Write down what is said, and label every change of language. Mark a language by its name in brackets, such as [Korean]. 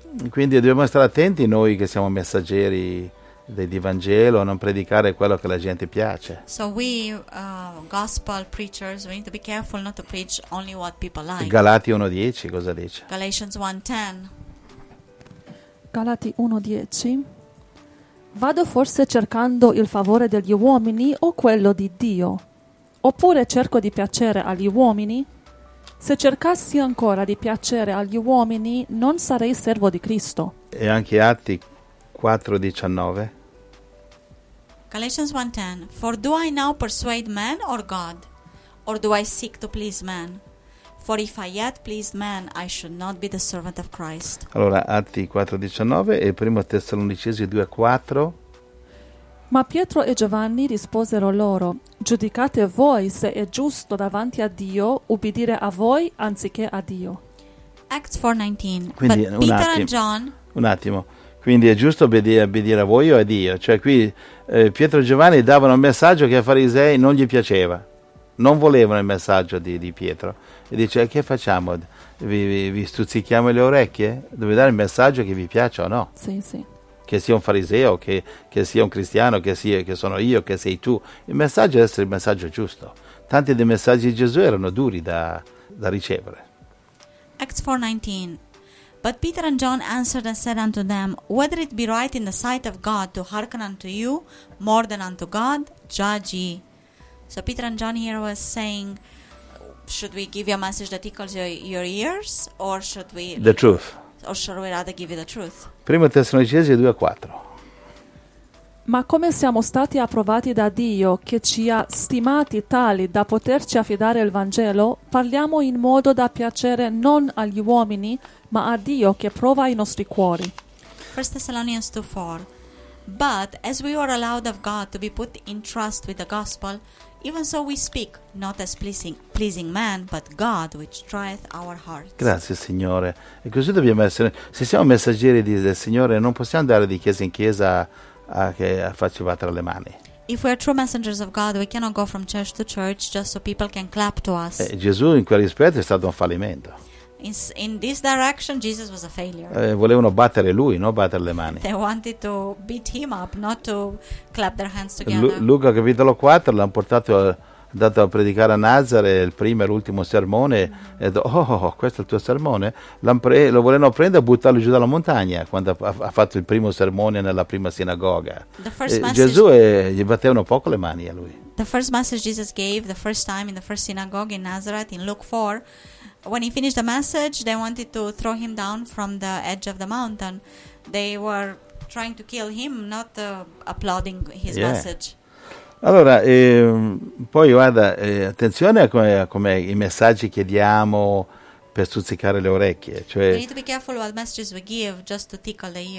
[Italian] Quindi dobbiamo stare attenti noi che siamo messaggeri del Vangelo a non predicare quello che la gente piace. [English] So we gospel preachers, we need to be careful not to preach only what people like. [Italian] Galati 1:10 cosa dice? [English] Galatians 1:10. [Italian] Galati 1:10. Vado forse cercando il favore degli uomini o quello di Dio? Oppure cerco di piacere agli uomini? Se cercassi ancora di piacere agli uomini, non sarei servo di Cristo. E anche Atti 4:19. [English] Galatians 1:10. For do I now persuade men or God? Or do I seek to please men? For if I yet pleased men, I should not be the servant of Christ. [Italian] Allora, Atti 4:19 e 1 Tessalonicesi 2:4. Ma Pietro e Giovanni risposero loro: giudicate voi se è giusto davanti a Dio ubbidire a voi anziché a Dio. [English] Acts 4:19. [Italian] Quindi, Quindi è giusto obbedire a voi o a Dio? Cioè qui Pietro e Giovanni davano un messaggio che ai farisei non gli piaceva. Non volevano il messaggio di Pietro. E dice, che facciamo? Vi stuzzichiamo le orecchie? Dovete dare il messaggio che vi piaccia o no? Sì, sì. Che sia un fariseo, che sia un cristiano, che sono io, che sei tu. Il messaggio deve essere il messaggio giusto. Tanti dei messaggi di Gesù erano duri da ricevere. [English] Acts 4:19. But Peter and John answered and said unto them, whether it be right in the sight of God to hearken unto you more than unto God, judge ye. So Peter and John here was saying, should we give you a message that tickles your ears, or should we... The truth. Or should we rather give you the truth? [Italian] Primo Tessalonicesi 2:4. Ma come siamo stati approvati da Dio, che ci ha stimati tali da poterci affidare il Vangelo, parliamo in modo da piacere non agli uomini, ma a Dio che prova i nostri cuori. [English] 1 Thessalonians 2:4. But as we were allowed of God to be put in trust with the gospel, even so we speak, not as pleasing man, but God, which trieth our hearts. [Italian] Grazie, Signore. E così dobbiamo essere. Se siamo messaggeri del Signore, non possiamo andare di chiesa in chiesa a farci battere le mani. [English] If we are true messengers of God, we cannot go from church to church just so people can clap to us. [Italian] Gesù, in quel rispetto, è stato un fallimento. [English] In this direction, Jesus was a failure. [Italian] Volevano battere lui, non battere le mani. [English] They wanted to beat him up, not to clap their hands together. [Italian] Luca capitolo 4 l'hanno portato, andato a predicare a Nazareth il primo e l'ultimo sermone. E questo è il tuo sermone? Lo volevano prendere e buttarlo giù dalla montagna quando ha fatto il primo sermone nella prima sinagoga. Gesù gli battevano poco le mani a lui. [English] The first message Jesus gave the first time in the first synagogue in Nazareth in Luke 4. When he finished the message, they wanted to throw him down from the edge of the mountain. They were trying to kill him, not applauding his message. [Italian] Allora, poi guarda, attenzione a come i messaggi che diamo per stuzzicare le orecchie. Cioè, [English] we need to be careful what messages we give just to tickle the ears.